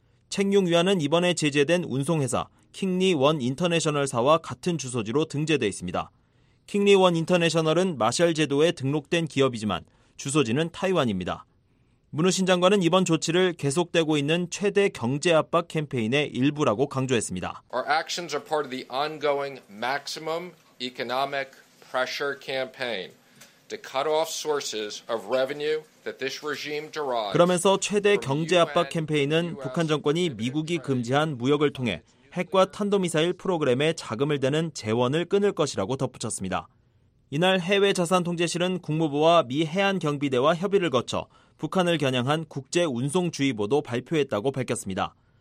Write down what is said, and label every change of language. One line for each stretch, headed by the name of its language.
Korean: 챙융 위안은 이번에 제재된 운송회사 킹리 원 인터내셔널사와 같은 주소지로 등재돼 있습니다. 킹리원 인터내셔널은 마샬 제도에 등록된 기업이지만 주소지는 타이완입니다. 문우신 장관은 이번 조치를 계속되고 있는 최대 경제 압박 캠페인의 일부라고 강조했습니다.
English: Our actions are part of the ongoing maximum economic pressure campaign to cut off sources of revenue that this regime derives.
Korean: 그러면서 최대 경제 압박 캠페인은 북한 정권이 미국이 금지한 무역을 통해 핵과 탄도미사일 프로그램에 자금을 대는 재원을 끊을 것이라고 덧붙였습니다. 이날 해외자산통제실은 국무부와 미 해안경비대와 협의를 거쳐 북한을 겨냥한 국제운송주의보도 발표했다고 밝혔습니다.